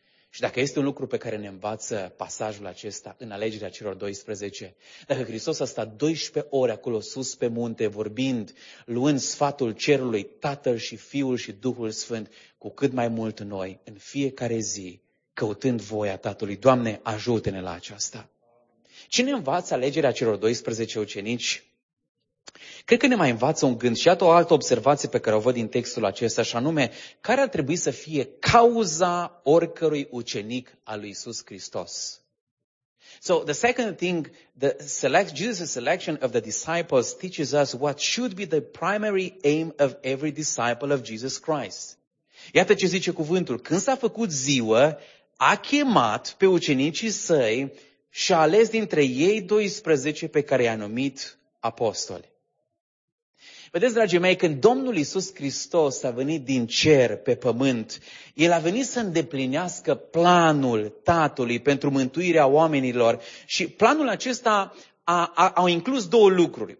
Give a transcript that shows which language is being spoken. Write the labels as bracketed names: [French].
[Romanian] Și dacă este un lucru pe care ne învață pasajul acesta în alegerea celor 12, dacă Hristos a stat 12 ore acolo sus pe munte, vorbind, luând sfatul cerului, Tatăl și Fiul și Duhul Sfânt, cu cât mai mult noi, în fiecare zi, căutând voia Tatălui, Doamne, ajută-ne la aceasta. Cine învață alegerea celor 12 ucenici? Cred că ne mai învață un gând și iată o altă observație pe care o văd din textul acesta, și anume, care ar trebui să fie cauza oricărui ucenic al lui Iisus Hristos? [English] So, the second thing, Jesus' selection of the disciples teaches us what should be the primary aim of every disciple of Jesus Christ. [Romanian] Iată ce zice cuvântul, când s-a făcut ziua, a chemat pe ucenicii săi și a ales dintre ei 12 pe care i-a numit apostoli. Vedeți, dragii mei, când Domnul Iisus Hristos a venit din cer pe pământ, El a venit să îndeplinească planul Tatălui pentru mântuirea oamenilor și planul acesta a inclus două lucruri.